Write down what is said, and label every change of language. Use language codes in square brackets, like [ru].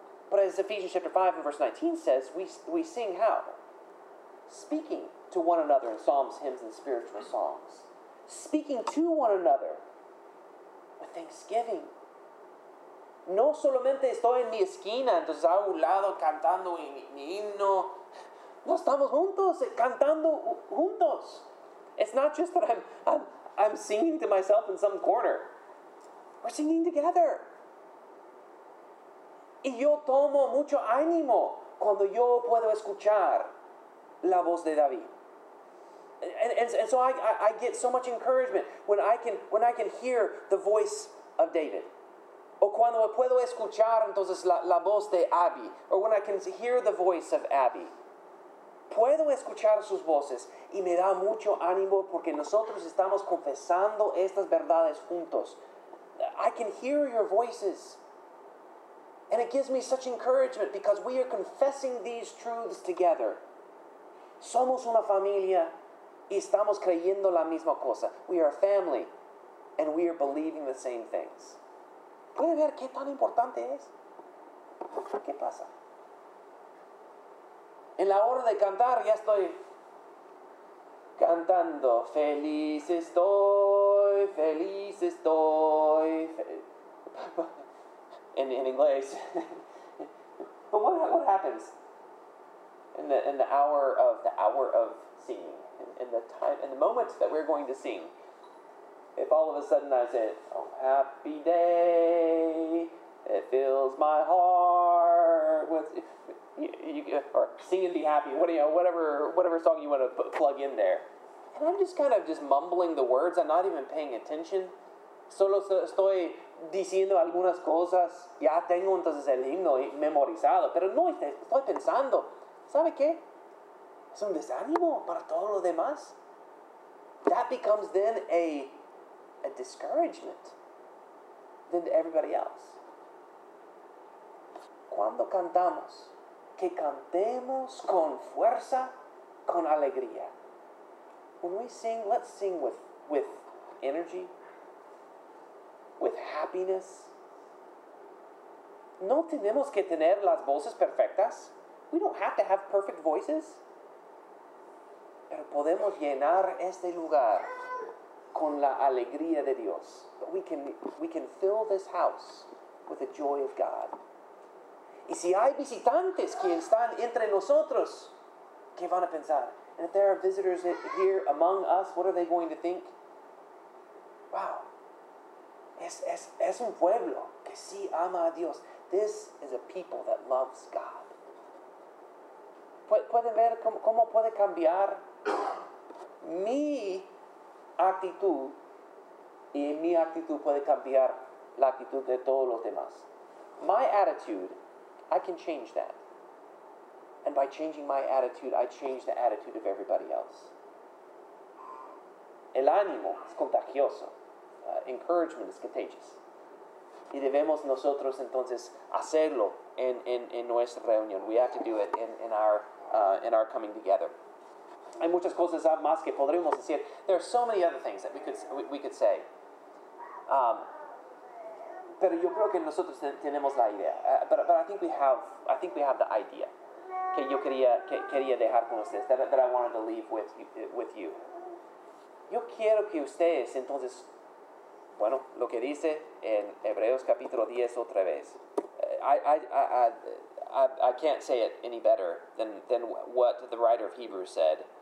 [en] But as Ephesians chapter 5 and verse 19 says, we sing how? Speaking to one another in psalms, hymns, and spiritual songs. Speaking to one another with thanksgiving. [es] No solamente estoy en mi esquina, entonces a un lado cantando mi himno. No estamos juntos, cantando juntos. [en] It's not just that I'm singing to myself in some corner. We're singing together. [es] Y yo tomo mucho ánimo cuando yo puedo escuchar la voz de David. [en] And so I get so much encouragement when I can hear the voice of David. [es] O cuando puedo escuchar entonces la voz de Abby. [en] Or when I can hear the voice of Abby. [es] Puedo escuchar sus voces y me da mucho ánimo porque nosotros estamos confesando estas verdades juntos. [en] I can hear your voices. And it gives me such encouragement because we are confessing these truths together. [es] Somos una familia. Y estamos creyendo la misma cosa. [en] We are a family, and we are believing the same things. [es] ¿Puede ver qué tan importante es? ¿Qué pasa? En la hora de cantar, ya estoy cantando. Feliz estoy, feliz estoy. [en] In English. But what happens in the hour of singing? In the moment that we're going to sing, if all of a sudden I say, "Oh, happy day, it fills my heart with," or "Sing and be happy," whatever song you want to plug in there, and I'm just kind of just mumbling the words, I'm not even paying attention. [es] Solo estoy diciendo algunas cosas. Ya tengo entonces el himno memorizado, pero no estoy pensando. ¿Sabe qué? Es un desánimo para todo lo demás. [en] That becomes then a discouragement than to everybody else. [es] Cuando cantamos, que cantemos con fuerza, con alegría. [en] When we sing, let's sing with energy, with happiness. [es] No tenemos que tener las voces perfectas. [en] We don't have to have perfect voices. [es] Pero podemos llenar este lugar con la alegría de Dios. [en] But we can fill this house with the joy of God. [es] Y si hay visitantes que están entre nosotros, ¿qué van a pensar? [en] And if there are visitors here among us, what are they going to think? Wow. [es] Es un pueblo que sí ama a Dios. [en] This is a people that loves God. [es] ¿Pueden ver cómo puede cambiar mi actitud? Y mi actitud puede cambiar la actitud de todos los demás. [en] My attitude, I can change that. And by changing my attitude, I change the attitude of everybody else. [es] El ánimo es contagioso. [en] Encouragement is contagious. [es] Y debemos nosotros entonces hacerlo en nuestra reunión. [en] We have to do it in our coming together. [es] Hay muchas cosas más que podríamos decir. [en] There are so many other things that we could say. [es] Pero yo creo que nosotros tenemos la idea. [en] But I think we have the idea [es] que yo quería dejar con ustedes, [en] that I wanted to leave with you. [es] Yo quiero que ustedes entonces, bueno, lo que dice en Hebreos capítulo 10 otra vez. [en] I can't say it any better than what the writer of Hebrews said.